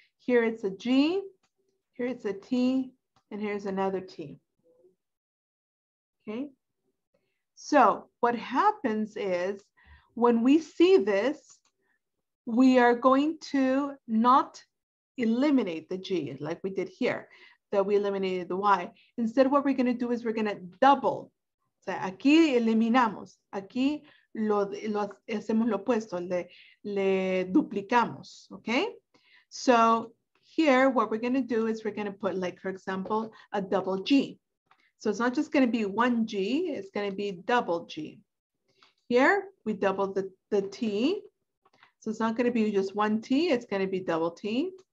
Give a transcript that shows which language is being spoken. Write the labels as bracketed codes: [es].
[en] Here it's a G, here it's a T, and here's another T. Okay. So what happens is when we see this, we are going to not eliminate the G like we did here, that we eliminated the Y. Instead, what we're going to do is we're going to double. [es] O sea, aquí eliminamos, aquí lo hacemos lo opuesto, le duplicamos, okay? [en] So here, what we're gonna do is we're gonna put, like, for example, a double G. So it's not just gonna be one G, it's gonna be double G. Here, we double the T. So it's not gonna be just one T, it's gonna be double T.